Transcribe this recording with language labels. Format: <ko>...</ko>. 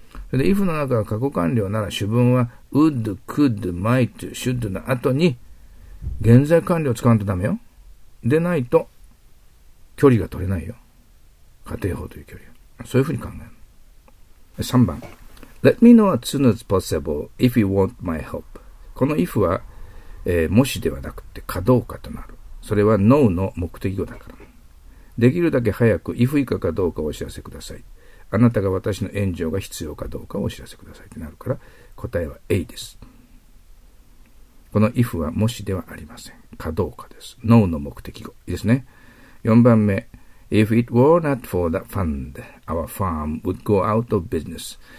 <ja>それで if の中は過去完了なら主文は would、could、might、should の後に現在完了を使わんとダメよ。でないと距離が取れないよ。仮定法という距離。そういうふうに考える。3番。</ja> <en>Let me know as soon as possible if you want my help.</en> <ja>この if は、もしではなくてかどうかとなる。それは know の目的語だから。できるだけ早く if 以下かどうかをお知らせください。あなたが私の援助が必要かどうかをお知らせくださいってなるから、答えは A です。この if はもしではありません。かどうかです。know の目的語。いいですね。4番目。</ja> <en>If it were not for the fund, our firm would go out of business.</en>